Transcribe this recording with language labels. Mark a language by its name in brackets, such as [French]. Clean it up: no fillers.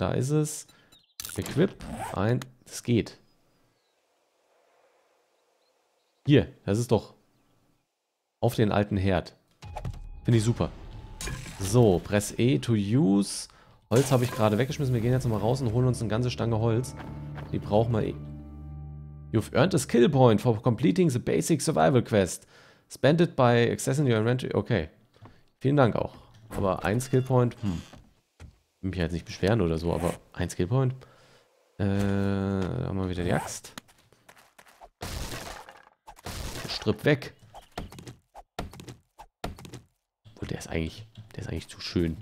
[German] Da ist es. Equip. Ein. Es geht. Hier, das ist doch auf den alten Herd. Finde ich super. So, [English] Press E to use. [German] Holz habe ich gerade weggeschmissen. Wir gehen jetzt nochmal raus und holen uns eine ganze Stange Holz. Die brauchen wir eh. [English] You've earned a skill point for completing the basic survival quest. Spend it by accessing your inventory. [German] Okay. Vielen Dank auch. Aber ein Skill Point. Will mich jetzt nicht beschweren oder so, aber ein Skill Point. Da haben wir wieder die Axt. Stripp weg. Oh, der ist eigentlich zu schön.